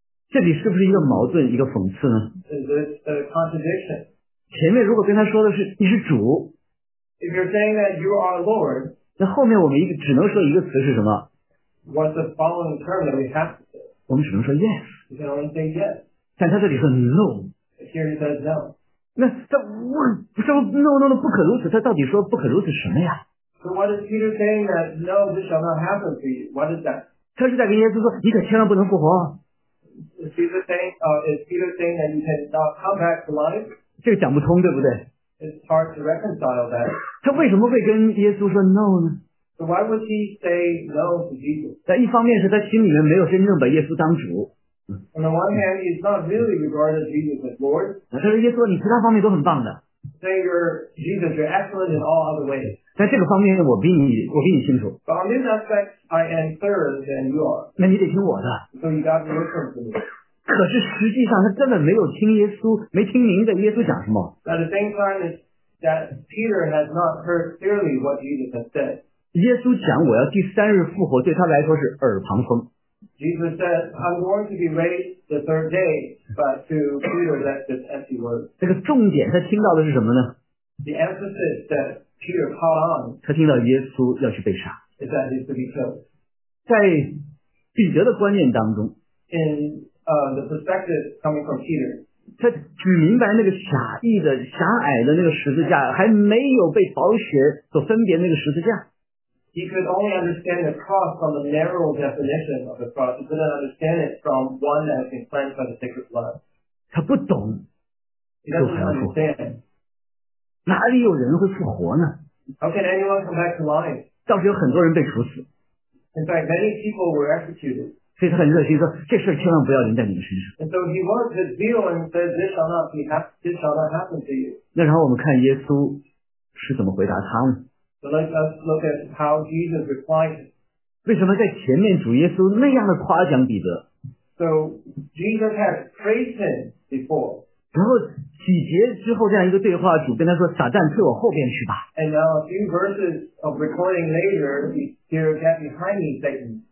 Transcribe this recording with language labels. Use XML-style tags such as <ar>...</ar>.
<zh>这里是不是一个矛盾一个讽刺呢</zh> <en>Is it a contradiction?</en> <zh>前面如果跟他说的是你是主</zh> <en>If you're saying that you are Lord,</en> <zh>那后面我们只能说一个词是什么</zh> <en>What's the following term that we have to say?</en> <zh>我们只能说 yes.</zh> <en>You can only say yes.</en> <zh>但他这里说 no.</zh> <en>Here he says no.</en> <zh>那他我说</zh> <en>no no no</en> <zh>不可如此，他到底说不可如此什么呀</zh> <en>？So what is Peter saying that no this shall not happen to you? What is that?</en> <zh>他是在跟耶稣说，你可千万不能复活。</zh> <en>Is Peter saying that you cannot come back to life?</en> <zh>这个讲不通，对不对</zh> <en>？It's hard to reconcile that.</en> <zh>他为什么会跟耶稣说 no 呢</zh> <en>？So why would he say no to Jesus?</en> <zh>在一方面是他心里面没有真正把耶稣当主。</zh> <en>On the one hand, he's not really regarded Jesus as Lord.</en> <zh>他说耶稣，你其他方面都很棒的。</zh> <en>Saying you're Jesus, you're excellent in all other ways.</en> <zh>在这个方面我比你清楚。</zh> <en>But on this aspect, I am third than you are.</en> <zh>那你得听我的。</zh> <en>So you got to listen to me.</en> <zh>可是实际上他根本没有听耶稣，没听明白耶稣讲什么。</zh> <en>At the same time, is that Peter has not heard clearly what Jesus has said.</en> <zh>耶稣讲我要第三日复活，对他来说是耳旁风。</zh> <en>Jesus said, I'm going to be raised the third day, but to Peter, that's just empty words.</en> <zh>这个重点他听到的是什么呢</zh> <en>?The emphasis that Peter caught on.</en> <zh>他听到耶稣要去被杀。</zh> <en>Is that he's to be killed.</en> <zh>在彼得的观念当中。</zh> <en>In, the perspective coming from Peter.</en> <zh>他只明白那个狭义的狭隘的那个十字架还没有被宝血所分别那个十字架。</zh> <en>He could only understand the cross from the narrow definition of the cross. He couldn't understand it from one that has been cleansed by the sacred blood.</en> <zh>他不懂</zh> <en>He doesn't understand.</en> <zh>哪里有人会复活呢</zh> <en>How can anyone come back to life?</en> <zh>倒是有很多人被处死</zh> <en>In fact, many people were executed.</en> <zh>所以他很热心说这事千万不要临在你身上</zh> <en>And so he was his zeal and said, this shall not be this shall not happen to you.</en> <zh>那然后我们看耶稣是怎么回答他呢</zh> <en>So let us look at how Jesus replied.</en> <zh>为什么在前面主耶稣那样的夸奖彼得</zh> <en>？So Jesus had praised him before.</en> <zh>然后几节之后这样一个对话，主跟他说：“撒旦，退我后边去吧。</zh> <en>”And now a few verses of recording later, here get behind me, Satan.</en>